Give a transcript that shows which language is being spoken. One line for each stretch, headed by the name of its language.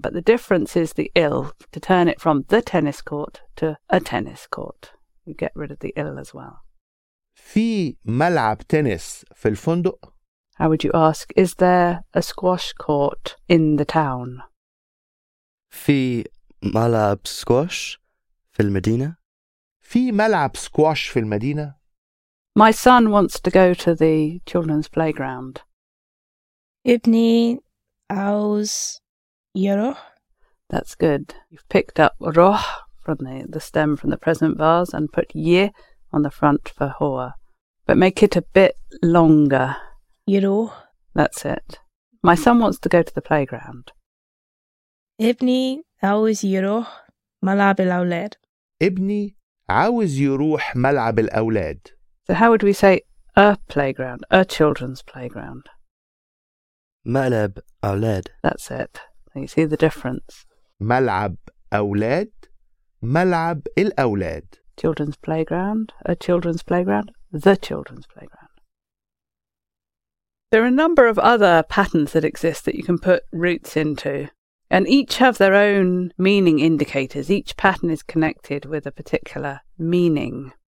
English: But the difference is the il, to turn it from the tennis court to a tennis court. You get rid of the il as well.
Arabic: في ملعب تنس في الفندق.
English: How would you ask, is there a squash court in the town?
Arabic: في ملعب سكواش في المدينة. في ملعب سكواش في المدينة.
English: My son wants to go to the children's playground.
Arabic: ابني عاوز يروح.
English: That's good. You've picked up روح from the stem from the present vase and put ي on the front for هو. But make it a bit longer.
Arabic: يروح.
English: That's it. My son wants to go to the playground.
Arabic: ابني عاوز يروح ملعب الأولاد. ابني عاوز يروح ملعب الأولاد.
English: So how would we say a playground, a children's playground?
Arabic: ملعب أولاد.
English: That's it. You see the difference.
Arabic: ملعب أولاد, ملعب الأولاد.
English: Children's playground, a children's playground, the children's playground. There are a number of other patterns that exist that you can put roots into, and each have their own meaning indicators. Each pattern is connected with a particular meaning.